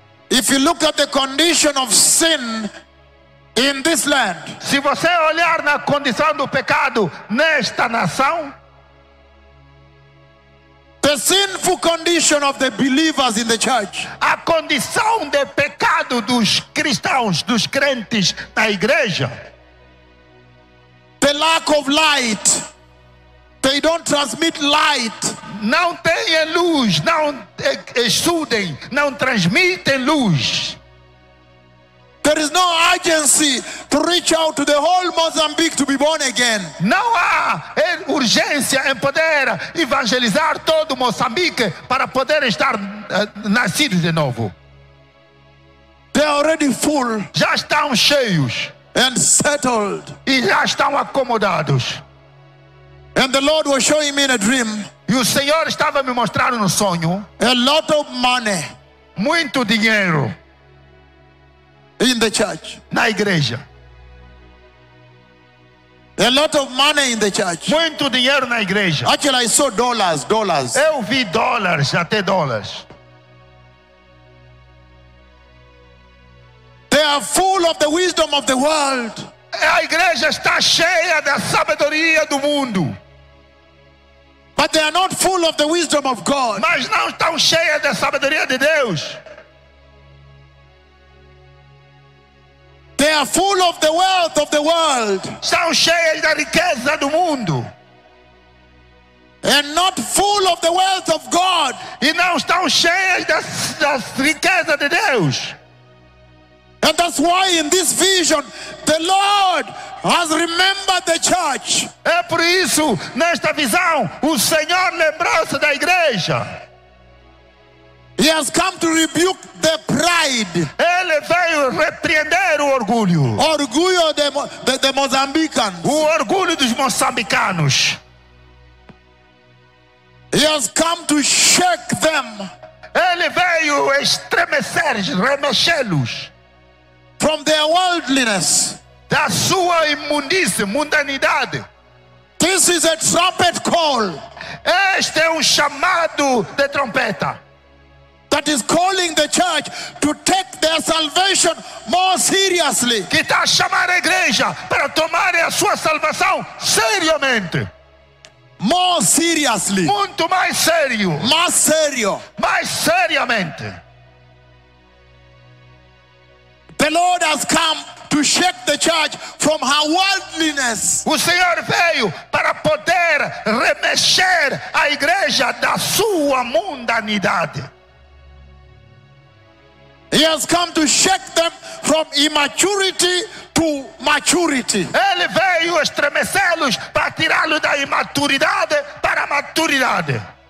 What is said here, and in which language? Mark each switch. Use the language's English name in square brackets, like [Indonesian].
[English] If you look at the condition of sin in this land. [Portuguese] Se você olhar na condição do pecado nesta nação. [English] The sinful condition of the believers in the church. [Portuguese] A condição de pecado dos cristãos, dos crentes na igreja. [English] The lack of light. They don't transmit light. [Portuguese] Não têm luz, não exudem, não transmitem luz. [English] There is no urgency to reach out to the whole Mozambique to be born again. [Portuguese] Não há urgência em poder evangelizar todo Moçambique para poder estar nascido de novo. [English] They are already full. [Portuguese] Já estão cheios. [English] And settled. [Portuguese] E já estão acomodados. [English] And the Lord was showing me in a dream. [Portuguese] E o Senhor estava me mostrando no sonho. [English] A lot of money. [Portuguese] Muito dinheiro. [English] In the church. [Portuguese] Na igreja. [English] A lot of money in the church. [Portuguese] Muito dinheiro na igreja. [English] Actually, I saw dollars. [Portuguese] Eu vi dólares, até dólares. [English] They are full of the wisdom of the world. [Portuguese] A igreja está cheia da sabedoria do mundo. [English] But they are not full of the wisdom of God. [Portuguese] Mas não estão cheias da sabedoria de Deus. [English] They are full of the wealth of the world. [Portuguese] São cheias da riqueza do mundo. [English] And not full of the wealth of God. [Portuguese] E não estão cheias da riqueza de Deus. [English] And that's why in this vision, the Lord has remembered the church. [Portuguese] É por isso, nesta visão, o Senhor lembrou-se da igreja. [English] He has come to rebuke the pride. [Portuguese] Ele veio repreender o orgulho. Orgulho de Mozambicanos. O orgulho dos moçambicanos. [English] He has come to shake them. [Portuguese] Ele veio estremecer, remexê-los. [English] From their worldliness. [Portuguese] Da sua imundice, mundanidade. [English] This is a trumpet call. [Portuguese] Este é um chamado de trompeta. [English] That is calling the church to take their salvation more seriously. [Portuguese] Que está a chamar a igreja para tomar a sua salvação seriamente. [English] More seriously. [Portuguese] Muito mais sério. Mais sério. Mais seriamente. [English] The Lord has come to shake the church from her worldliness. [Portuguese] O Senhor veio para poder remexer a igreja da sua mundanidade. [English] He has come to shake them from immaturity to maturity. [Portuguese] Ele veio estremecê-los para tirá-los da imaturidade para a maturidade.